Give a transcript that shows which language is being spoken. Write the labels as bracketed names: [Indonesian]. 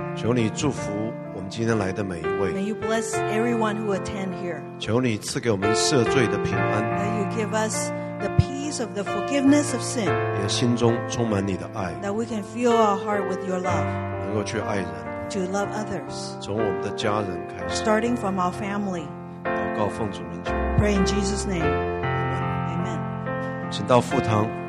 [Chinese] 求你祝福我们今天来的每一位。 [English] May you bless everyone who attend here. [Chinese] 求你赐给我们赦罪的平安。 [English] May you give us the peace of the forgiveness of sin. [Chinese] 也心中充满你的爱。 [English] That we can fill our heart with your love. [Chinese] 能够去爱人。 [English] To love others. [Chinese] 从我们的家人开始。 [English] Starting from our family. [Chinese] 祷告奉主名求。 [English] Pray in Jesus' name. [Chinese] Amen. 请到副堂。